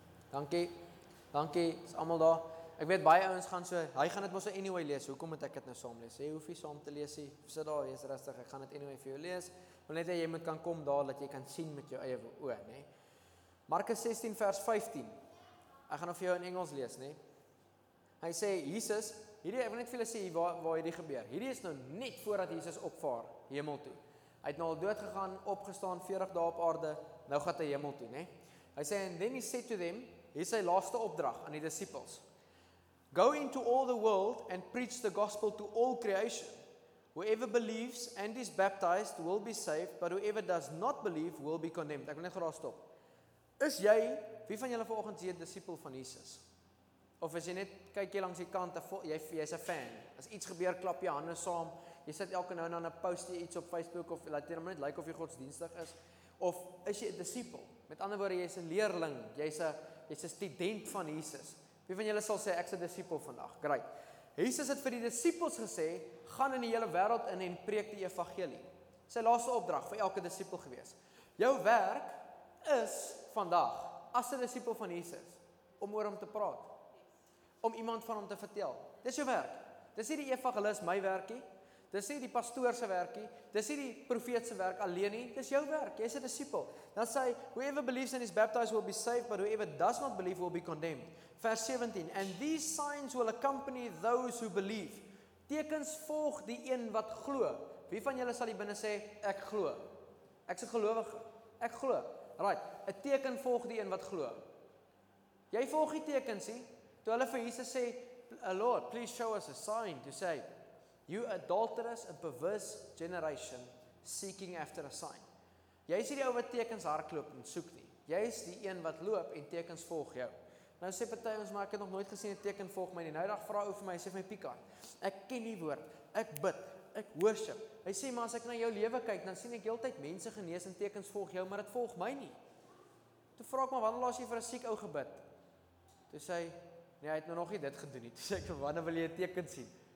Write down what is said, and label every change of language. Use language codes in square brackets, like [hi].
[af] Dankie, dankie, is allemaal daar. Ek weet, baie ouwens gaan so, hy gaan het mos anyway lees, hoekom moet ek het nou saam lees? Hy hoef jy saam te lees, sit daar, wees rustig, ek gaan het anyway vir jou lees. Maar net jy moet kan kom daar, dat jy kan sien met jou eie oor, nie. Markus 16 vers 15. Ek gaan vir jou in Engels lees, nie. Hy sê, Jesus, hierdie, ek wil net vir julle sê waar hierdie gebeur. Hierdie is nou net voordat Jesus opvaar, hemel toe. Hy het nou al dood gegaan, opgestaan, 40 dae op aarde, nou gaat hy hemel toe, nie. Hy sê, [en] and then he said to them, [af] hier is sy laaste opdrag aan die disciples. [en] Go into all the world and preach the gospel to all creation. Whoever believes and is baptized will be saved, but whoever does not believe will be condemned. [af] Ek wil net graag stop. Is jy, wie van julle vanoggend is jy disipel van Jesus? Of is jy net, kyk jy langs die kant, jy is een fan. As iets gebeur, klap jy handen saam, jy sit elke nou en dan post jy iets op Facebook, of laat jy maar net like of jy godsdienstig is. Of is jy disipel? Met ander woorde, jy is een leerling, jy is een student van Jesus. Wie van julle sal sê, ek is een disipel vandag? [en] Great. [af] Jesus het vir die disipels gesê, gaan in die hele wereld in en preek die evangelie. Sy laaste opdrag vir elke disipel gewees. Jou werk is vandag, as die disipel van Jesus, om oor hom te praat, om iemand van hom te vertel, dis jou werk, dis hier die evangelist my werkie, dis hier die pastoorse werkie, dis hier die profeetse werk alleen nie, dis jou werk, jy is die disipel, dan sê, [en] whoever believes and is baptized will be saved, but whoever does not believe will be condemned, [af] vers 17, [en] and these signs will accompany those who believe, [af] tekens volg die een wat glo, wie van julle sal hier binnen sê, ek glo, ek is gelowige, Ek glo. Right. 'N teken volg die een wat glo. Jy volg die tekens, sien? Toe hulle vir Jesus sê, [en] "Lord, please show us a sign to say, you adulterous and perverse generation seeking after a sign." [af] Jy is nie die ou wat tekens hardloop en soek nie. Jy is die een wat loop en tekens volg jou. Nou sê party ons, maar ek het nog nooit gesien 'n teken volg my nie. Nou dag vra ou vir my, sê vir my Pika, ek ken die woord. Ek bid. Ek worship. Hy sê, maar as ek na jou lewe kyk, dan sien ek heeltyd mense genees en tekens volg jou, maar dit volg my nie. Toe vra ek maar, wanneer laas jy vir 'n siek ou gebid? Toe sê hy, nee, hy het nou nog nie dit gedoen nie. Toe sê ek, wanneer wil jy 'n teken sien?